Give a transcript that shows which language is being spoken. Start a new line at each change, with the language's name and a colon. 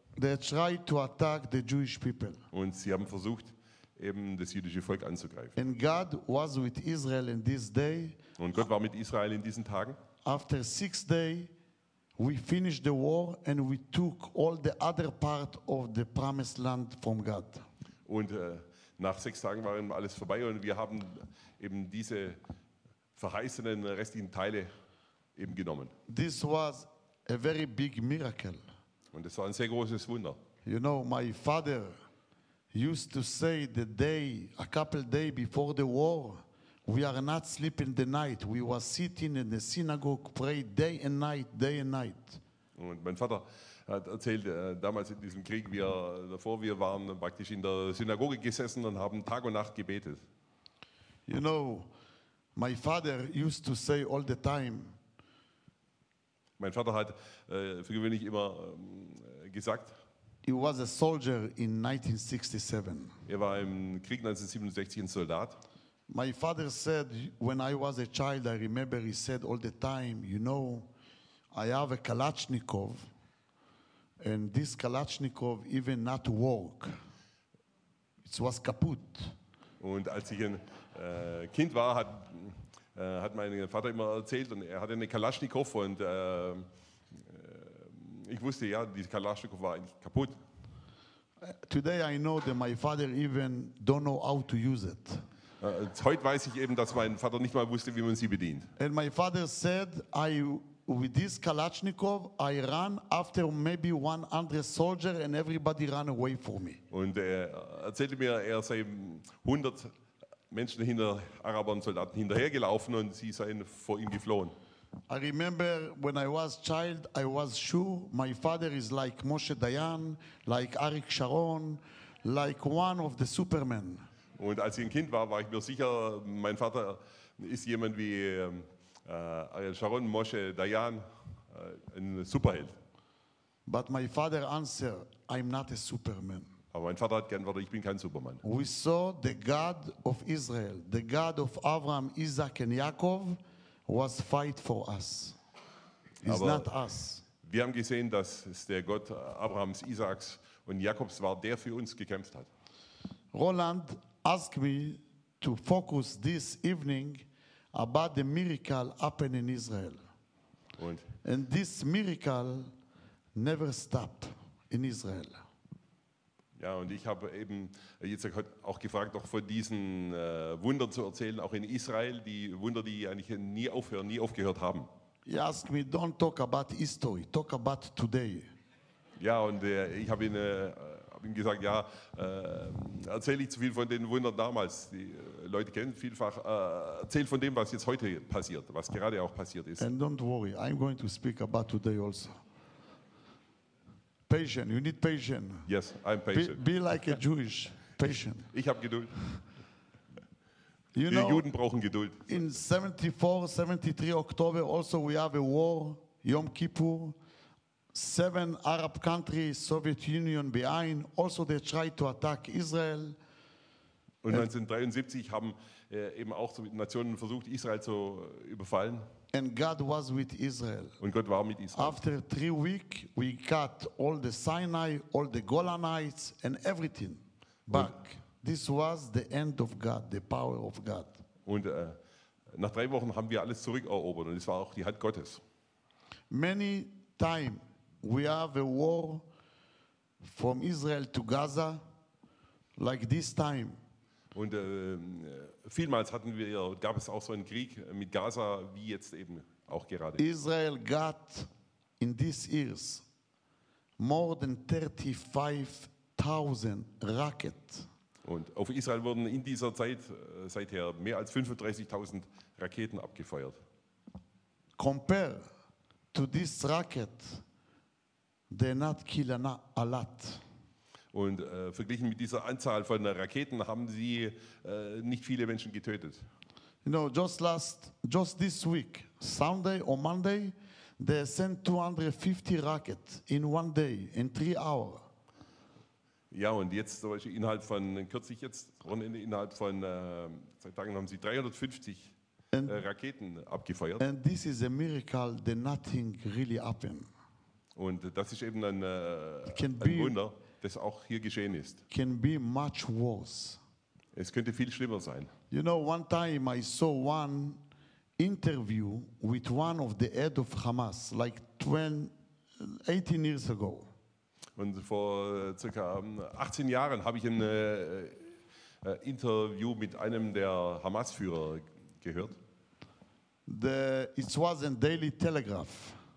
English: They tried to attack the Jewish people.
German: Und sie haben versucht, eben das jüdische Volk anzugreifen.
English: And God was with Israel in this day.
German: Und Gott war mit Israel in diesen Tagen.
English: After 6 days, we finished the war and we took all the other part of the promised land from God.
German: Und nach 6 Tagen war alles vorbei und wir haben eben diese verheißenen restlichen Teile eben genommen.
English: This was a very big miracle.
German: Und es war ein sehr großes Wunder.
English: You know, my father used to say the day, a couple days before the war, we are not sleeping the night. We were sitting in the synagogue, pray day and night, day and night.
German: Und mein Vater hat erzählt, damals in diesem Krieg, wir waren praktisch in der Synagoge gesessen und haben Tag und Nacht gebetet.
English: You know, my father used to say all the time.
German: Mein Vater hat für gewöhnlich immer gesagt.
English: He was a soldier in 1967.
German: Er war im Krieg 1967 ein Soldat.
English: My father said, when I was a child, I remember he said all the time, you know, I have a Kalashnikov, and this Kalashnikov even not work. It was kaputt.
German: Und als ich ein Kind war, hat mein Vater immer erzählt, und er hatte eine Kalashnikov, und ich wusste, ja, die Kalashnikov war eigentlich kaputt.
English: Today I know that my father even don't know how to use it.
German: Heute weiß ich eben, dass mein Vater nicht mal wusste, wie man sie bedient.
English: And my father said, I with this Kalashnikov, I ran after maybe 100 soldier and everybody ran away from me.
German: Und er erzählte mir, er sei 100 Menschen hinter Arabern Soldaten hinterhergelaufen und sie seien vor ihm geflohen.
English: I remember when I was child, I was sure my father is like Moshe Dayan, like Arik Sharon, like one of the Superman.
German: Und als ich ein Kind war, war ich mir sicher, mein Vater ist jemand wie Ariel Sharon, Moshe, Dayan, ein Superheld.
English: But my father answered, I'm not a Superman.
German: Aber mein Vater hat geantwortet, ich bin kein Superman.
English: We saw the God of Israel, the God of Abraham, Isaac and Jacob was fight for us. It's not us.
German: Wir haben gesehen, dass es der Gott Abrahams, Isaaks und Jakobs war, der für uns gekämpft hat.
English: Roland asked me to focus this evening about the miracle happened in Israel. And this miracle never stopped in Israel.
German: Ja, und ich habe eben Yitzhak auch gefragt, auch von diesen Wundern zu erzählen, auch in Israel, die Wunder, die eigentlich nie aufhören, nie aufgehört haben.
English: He asked me, don't talk about history, talk about today.
German: Ja, und ich habe ihn ihm gesagt, ja, erzähle ich zu viel von den Wundern damals. Die Leute kennen vielfach, erzähl von dem, was jetzt heute passiert, was gerade auch passiert ist.
English: And don't worry, I'm going to speak about today also. Patient, you need patient. Yes, I'm patient. Be like a Jewish, patient.
German: Ich habe Geduld. Die Juden brauchen Geduld.
English: In 74, 73 Oktober also we have a war, Yom Kippur. 7 Arab countries, Soviet Union behind, also they tried to attack Israel.
German: Und 1973 haben eben auch Nationen versucht, Israel zu überfallen.
English: And God was with Israel.
German: Und Gott war mit Israel.
English: After 3 weeks, we got all the Sinai, all the Golanites and everything back.
German: Und
English: this was the end of God, the power of God.
German: Und nach 3 Wochen haben wir alles zurückerobert und es war auch die Hand Gottes.
English: Many time we have a war from Israel to Gaza, like this time.
German: Und vielmals hatten wir, gab es auch so einen Krieg mit Gaza, wie jetzt eben auch gerade.
English: Israel got in these years more than 35,000 rockets.
German: Und auf Israel wurden in dieser Zeit seither mehr als 35,000 Raketen abgefeuert.
English: Compare to this rocket, they not kill a lot.
German: Und verglichen mit dieser Anzahl von Raketen haben sie nicht viele Menschen getötet.
English: You know, just this week, Sunday or Monday, they sent 250 rockets in one day, in 3 hours.
German: Ja, und jetzt zum Beispiel innerhalb von, kürzlich jetzt, Wochenende, innerhalb von 2 Tagen haben sie 350 Raketen abgefeuert.
English: And this is a miracle that nothing really happened.
German: Und das ist eben ein Wunder, das auch hier geschehen ist.
English: Can be much worse.
German: Es könnte viel schlimmer sein.
English: You know, one time I saw one interview with one of the head of Hamas, like 18 years ago.
German: Und vor circa 18 Jahren habe ich ein Interview mit einem der Hamas-Führer gehört.
English: It was in Daily Telegraph.